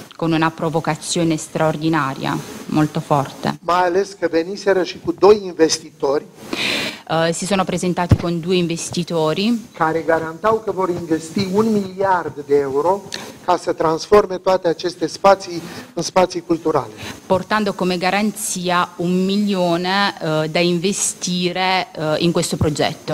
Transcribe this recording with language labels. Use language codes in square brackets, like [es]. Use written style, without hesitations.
[it] Con una provocazione straordinaria, molto forte. [ro] Ma ales că veniseră și cu doi investitori. [it] Si sono presentati con due investitori. [ro] Care garantau că vor investi 1 miliard de euro ca să transforme toate aceste spații în spații culturale. [it] Portando come garanzia 1 milione da investire in questo progetto.